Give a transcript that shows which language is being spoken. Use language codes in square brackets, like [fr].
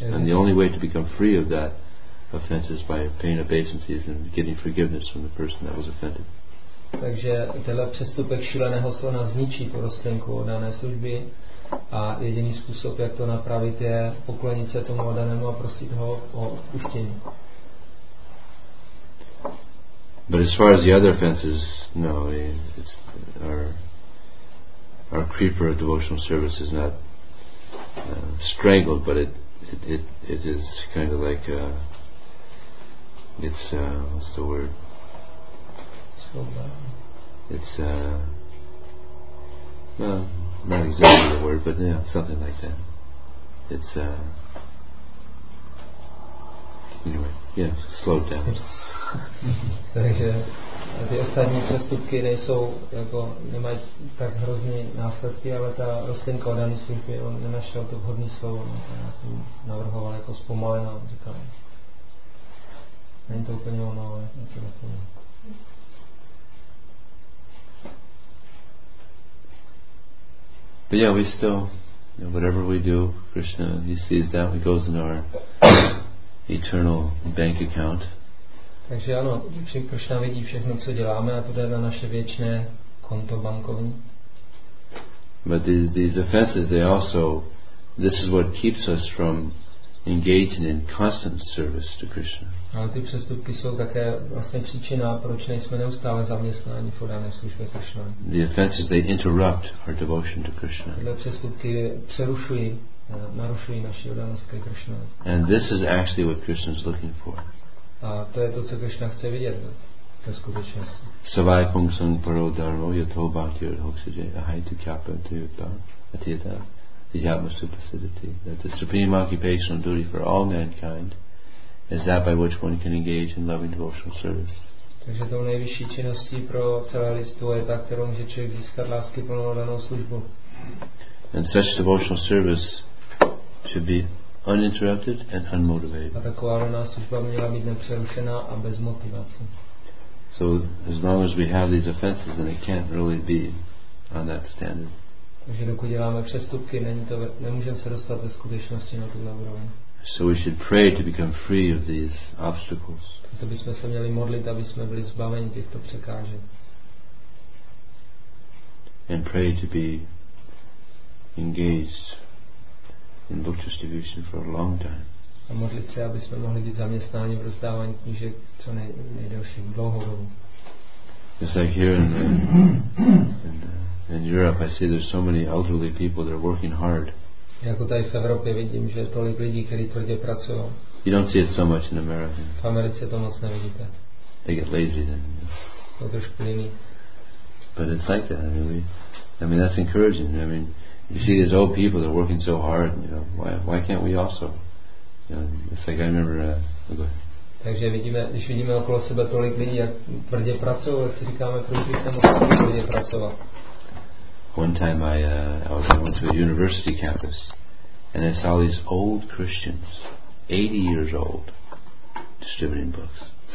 [en] And the only way to become free of that offense is by paying obeisances and getting forgiveness from the person that was offended. [cs] Takže tenhle přestupek šíleného slona zničí porostenku dané služby a jediný způsob, jak to napravit, je poklonit se tomu danému a prosit ho o odpuštění. [en] But as far as the other offenses, no, it's our creeper of devotional service is not strangled, but it is kind of like what's the word? So bad. It's not exactly the word, but yeah, something like that. It's slowed down. [cs] Takže ty ostatní přestupky nejsou jako nemají tak hrozný následky, ale ta rostlinka odaný služby, on nenašel to vhodný slovo, no, já jsem navrhoval jako zpomalená, říkal, není to úplně ono, ale něco takové. [en] But yeah, we still, whatever we do, Krishna, he sees that, it goes in our eternal bank account. [cs] Takže ano, Krishna vidí všechno, co děláme, a to jde na naše věčné konto bankovní. [en] But these offenses, they also, this is what keeps us from engaging in constant service to Krishna. [cs] Ale ty přestupky jsou také vlastně příčina, proč nejsme neustále zaměstnáni v dané službě Krishna. [en] The offenses, they interrupt our devotion to Krishna. [cs] Tyhle přestupky přerušují, narušují naši odanost ke Krishna. [en] And this is actually what Krishna is looking for. [cs] A to je to, co Krishna chce vidět, to je skutečnost. [sa] Savai pungsan paro dharmo yato bhakti yodhokshaje ahaitu kyapa tuyutta atyata yama supasiddhati. [en] That the supreme occupational duty for all mankind is that by which one can engage in loving devotional service. [cs] Takže tou nejvyšší činností pro celé lidstvo je ta, kterou může člověk získat lásky plnou danou službu. [en] And such devotional service should be uninterrupted and unmotivated. [cs] A taková daná služba měla být nepřerušená a bez motivace. [en] So as long as we have these offenses, then it can't really be on that standard. [cs] Takže dokud děláme přestupky, nemůžeme se dostat ve skutečnosti na tuhle úroveň. [en] So we should pray to become free of these obstacles. [cs] To bychom se měli modlit, aby jsme byli zbaveni těchto překážek. [en] And pray to be engaged in book distribution for a long time. [cs] A modlit se, aby jsme mohli být zaměstnáni v rozdávání knížek co nejdelší dlouhou dobu. [en] It's like here in Europe, I see there's so many elderly people that are working hard. [cs] Jako tady v Evropě vidím, že tolik lidí, kteří tvrdě pracují. [en] You don't see it so much in America. [cs] V Americe to moc nevidíte. [en] They get lazy then. [cs] To trošku jiný. [en] But it's like that, really. I mean, that's encouraging. I mean, you see these old people, they're working so hard, you know, why can't we also? You know, it's like I remember... [cs] Takže vidíme, když vidíme okolo sebe tolik lidí, jak tvrdě pracují, tak si říkáme, proč bych nemohli tvrdě pracovat. [en] One time I went to a university campus and I saw these old Christians, 80 years old, distributing books.